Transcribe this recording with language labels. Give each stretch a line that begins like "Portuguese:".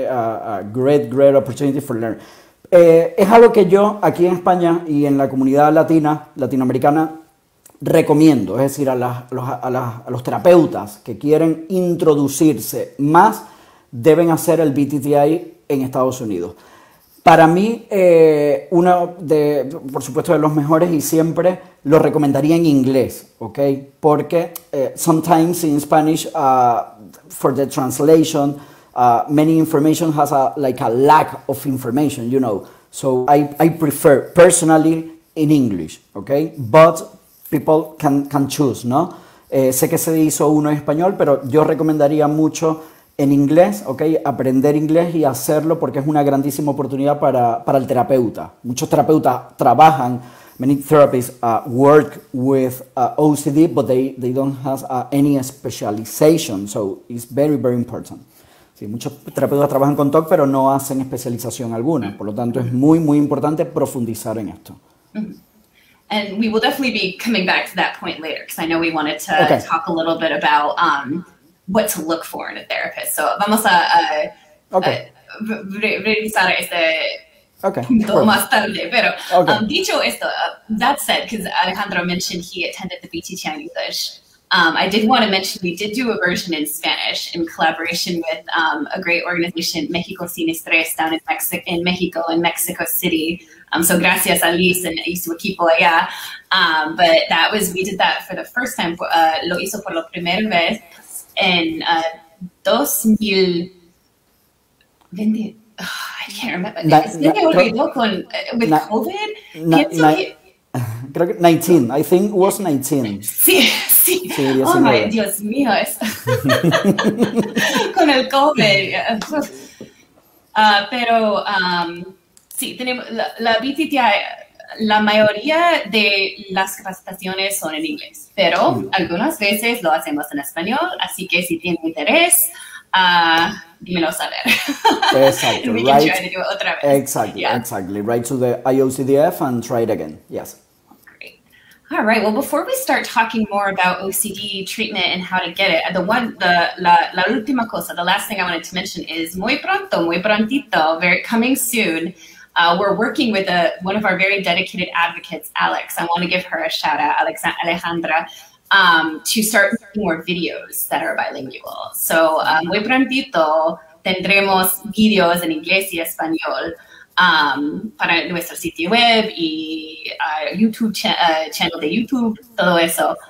English: A great opportunity for learning.
Spanish: Es algo que yo aquí en España y en la comunidad latinoamericana, recomiendo, es decir, a los terapeutas que quieren introducirse más, deben hacer el BTTI en Estados Unidos. Para mí, uno de, por supuesto, de los mejores y siempre lo recomendaría en inglés, ¿ok?
English: Porque sometimes in Spanish, for the translation, many information has a lack of information, you know. So I prefer personally in English, ¿ok? But people can choose, ¿no?
Spanish: Sé que se hizo uno en español, pero yo recomendaría mucho en inglés, ¿ok? Aprender inglés y hacerlo porque es una grandísima oportunidad para el terapeuta. Muchos terapeutas trabajan,
English: many therapists work with OCD, but they don't have any specialization, so it's very, very important.
Spanish: Sí, muchos terapeutas trabajan con TOC, pero no hacen especialización alguna. Por lo tanto, es muy, muy importante profundizar en esto.
English: And we will definitely be coming back to that point later because I know we wanted to talk a little bit about what to look for in a therapist.
Spanish: So vamos a revisar este punto más tarde. Pero dicho esto,
English: that said, because Alejandro mentioned he attended the BTTI in English, I did want to mention we did do a version in Spanish in collaboration with a great organization, México Sin Estrés, down in Mexico City. So
Spanish: gracias a
English: Luis and
Spanish: su equipo allá.
English: But that was, we did that for the first time,
Spanish: lo hizo por la primera vez en 2020.
English: I think it was 19.
Spanish: Sí.
English: Oh my
Spanish: Dios mío. Con el COVID. Pero sí, tenemos la BTTI, la mayoría de las capacitaciones son en inglés, pero algunas veces lo hacemos en español, así que si tiene interés, dímelo saber.
English: Exactly. We can write, try to do it
Spanish: otra vez.
English: Exactly. Yeah. Exactly. Write to the IOCDF and try it again. Yes. Great. All right. Well, before we start talking more about OCD treatment and how to get it, the last thing I wanted to mention is coming soon. We're working with one of our very dedicated advocates, Alex. I want to give her a shout out, Alejandra. To start making more videos that are bilingual.
Spanish: So muy prontito tendremos videos en inglés y español para nuestro sitio web y YouTube channel de YouTube, todo eso.